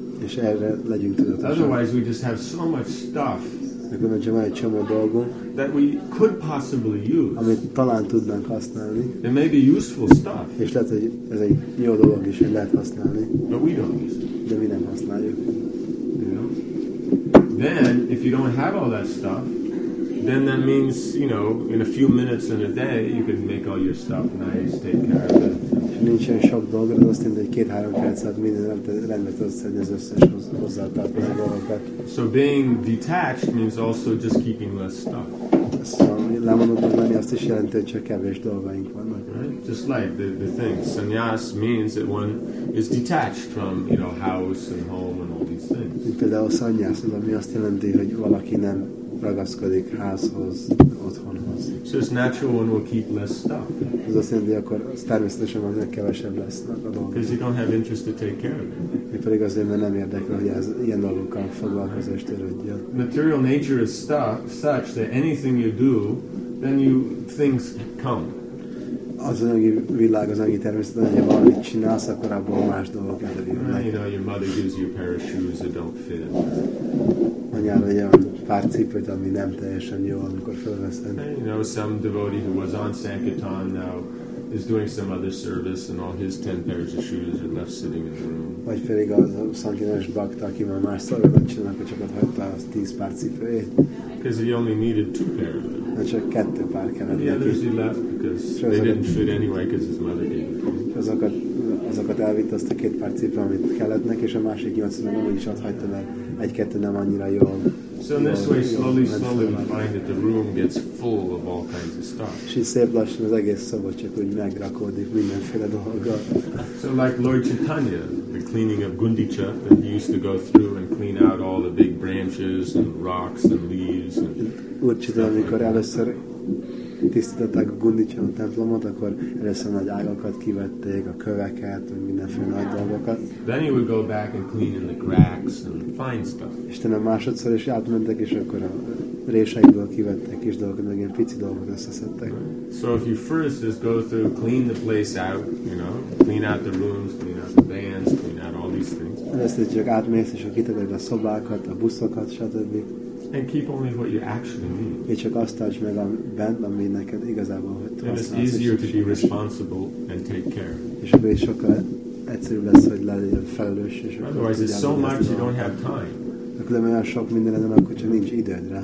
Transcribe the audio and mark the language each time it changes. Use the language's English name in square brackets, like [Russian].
[Hungarian] És erre legyünk tudatosak. [English] Otherwise we just have so much stuff that we could possibly use. [Hungarian] Amit talán tudnánk használni. [English] It may be useful stuff. [Hungarian] És lehet, hogy ez egy jó dolog is, hogy lehet használni. [English] But we don't use it. [Hungarian] De mi nem használjuk. [English] You know? Then, if you don't have all that stuff, then that means, you know, in a few minutes in a day, you can make all your stuff nice, take care of it. [Hungarian] Nincsen sok dolgod, azt mondja, hogy 2-3 perc alatt mindent rendbe tudsz szedni az összes hozzátartozó dolgokat. [English] So being detached means also just keeping less stuff. [Hungarian] Szóval lemondani azt is jelenti, hogy csak kevés dolgaink vannak. [English] Right? Just like the thing. Sannyas means that one is detached from, you know, house and home and all these things. [Hungarian] Mint például sannyas, ami azt jelenti, hogy valaki nem ragaszkodik házhoz, otthonhoz. [English] So it's natural one will keep less stuff. [Hungarian] Ez azt jelenti, akkor természetesen van, hogy kevesebb lesz a dolgok. [English] Because you don't have interest to take care of it. [Hungarian] Mert pedig azért, mert nem érdekel, hogy ez ilyen dolgokkal foglalkozó és törődjön. [English] Material nature is stuff such that anything you do, then you, things come. [Hungarian] Az anyagi világ, az anyagi természet, hogy valamit csinálsz, akkor abból más dolgok előjönnek. [English] You know, your mother gives you a pair of shoes that don't fit. [Hungarian] Anyád egy olyan pár cipőt, ami nem teljesen jó, amikor felveszed. [English] You know, some devotee who was on Sankirtan now is doing some other service and all his 10 pairs of shoes are left sitting in the room. [Hungarian] Vagy pedig az a Sankirtanos bakta, aki már más szolgálatot csinál, hogy csak ott hagyta az 10 pár cipőjét. [English] Because he only needed 2 pairs of them. [Hungarian] Csak 2 pár kellett neki. [English] The others he left because they didn't fit anyway because his mother gave them. [Hungarian] Azokat elvitt azt a 2 pár cipő, amit kellett neki, és a másik 8 nem úgy is ott hagyta, mert 1-2 nem annyira jó. [English] So in this way, slowly we find that the room gets full of all kinds of stuff. [Hungarian] És így szép lassan az egész szoba csak úgy megrakódik mindenféle dolgokat. [English] So like Lord Chaitanya, the cleaning of Gundicha, that he used to go through and clean out all the big branches and rocks and leaves. [Hungarian] Úgy csinálom, amikor először tisztították a Gundicha templomot, akkor először nagy ágakat kivették, a köveket, mindenféle nagy dolgokat. [English] Then he would go back and clean in the cracks and find stuff. [Hungarian] És tenne másodszor is átmentek, és akkor a réseikből kivettek kis dolgokat, meg ilyen pici dolgokat összeszedtek. [English] So if you first just go through, clean the place out, you know, clean out the rooms, clean out the bands, clean out all these things. [Hungarian] Veszed csak átmész, és ha kitered a szobákat, a buszokat, stb. [English] And keep only what you actually need. [Hungarian] És csak azt tartsd meg a bent, ami neked igazából hogy te használsz. [English] And it's easier to be responsible and take care. [Hungarian] És akkor is sokkal egyszerűbb lesz, hogy legyél felelős, és akkor [English] otherwise, it's so much you don't have time. [Hungarian] De olyan sok minden ezen, akkor csak nincs időd rá.